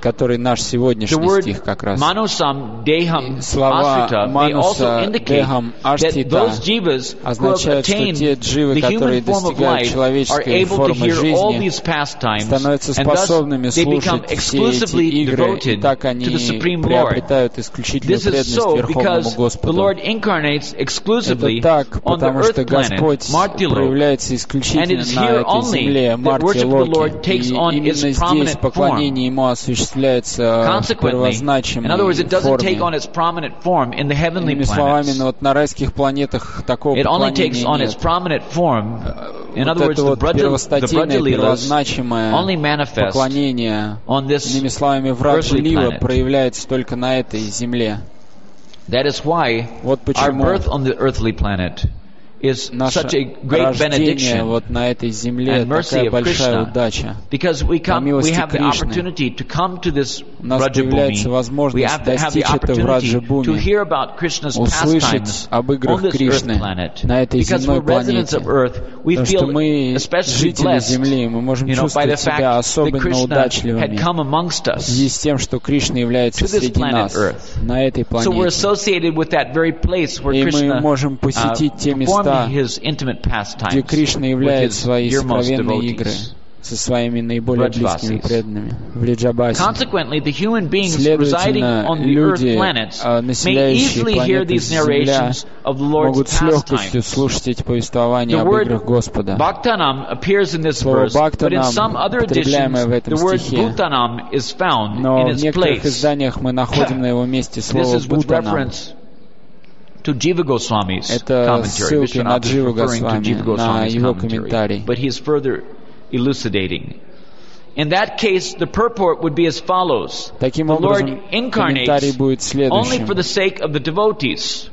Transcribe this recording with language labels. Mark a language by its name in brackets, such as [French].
[Russian] который наш сегодняшний стих как раз. [English] Манусам Дейхам Ашрита may also indicate that those jivas who have attained the human form of life are able to hear all these pastimes, and thus they become exclusively devoted to the Supreme Lord. This is so because the Lord incarnates exclusively on the earth planet, Мартилок, and it is here only that worship of the Lord takes on its prominent form. Consequently, in other words, it doesn't take on its prominent form in the heavenly planets. It only takes on its prominent form. In other words, the only manifest [Russian] поклонение [English] on this [Russian] иными словами, [English] earthly [Russian] проявляется только на этой земле. [English] That is why [Russian] вот [English] our birth on the earthly planet is such a great benediction [Russian] вот на этой земле [English] and mercy [Russian] такая большая удача. [English] Because we have the opportunity to come to this Vrajabhumi. We have to have the opportunity to hear about Krishna's pastimes on this earth planet. Because we're residents of earth, we feel especially blessed, by the fact that Krishna had come amongst us to this planet earth. So we're associated with that very place where Krishna performed his intimate pastimes with his dearmost devotees. [Russian] Со своими наиболее близкими преданными в Риджабасе. [English] Consequently, the human beings residing on the [Russian] люди, [English] earth planets may easily hear these narrations of the Lord's pastimes. The word bhaktanam appears in this verse, but in some other editions the word bhutanam is found in its place. [Russian] В изданиях мы находим на его месте слово бутанам. [English] To Jiva Goswami's commentary, but he is further elucidating. In that case, the purport would be as follows. [Russian] Таким [English] the Lord incarnates only for the sake of the devotees.